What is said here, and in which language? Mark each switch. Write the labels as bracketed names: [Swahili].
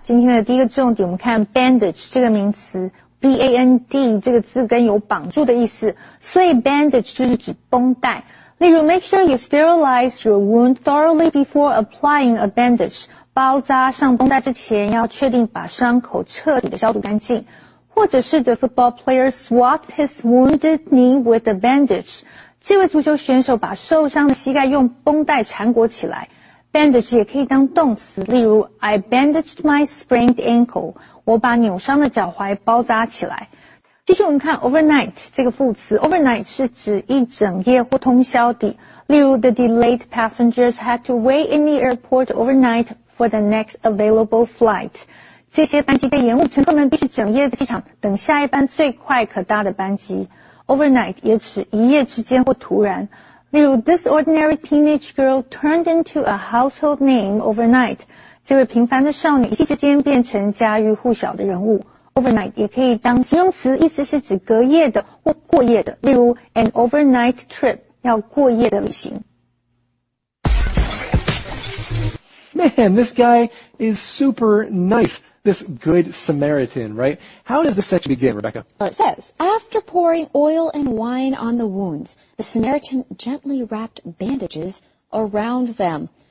[Chinese] 今天的第一个重点，我们看 bandage 这个名词。B-A-N-D 这个字根有绑住的意思，所以 bandage 就是指绷带。 [English] 例如 make sure you sterilize your wound thoroughly before applying a bandage， [Chinese] 包扎上绷带之前要确定把伤口彻底的消毒干净。 [English] 或者是 the football player swabbed his wounded knee with a bandage， [Chinese] 这位足球选手把受伤的膝盖用绷带缠裹起来。 Bandage 也可以当动词，例如 [English] I bandaged my sprained ankle， [Chinese] 我把扭伤的脚踝包扎起来。继续我们看 overnight 这个副词， overnight 是指一整夜或通宵的，例如 [English] the delayed passengers had to wait in the airport overnight for the next available flight， [Chinese] 这些班机被延误，乘客们必须整夜在机场等下一班最快可搭的班机。 overnight 也指一夜之间或突然，例如 [English] this ordinary teenage girl turned into a household name overnight， [Chinese] 这位平凡的少女一夕之间变成家喻户晓的人物。 overnight 也可以当形容词，意思是指隔夜的或过夜的，例如 [English] an overnight trip， [Chinese] 要过夜的旅行。 [English] Man, this guy is super nice, this good Samaritan, right? How does the section begin, Rebecca? Well, it says, after pouring oil and wine on the wounds, the Samaritan gently wrapped bandages around them.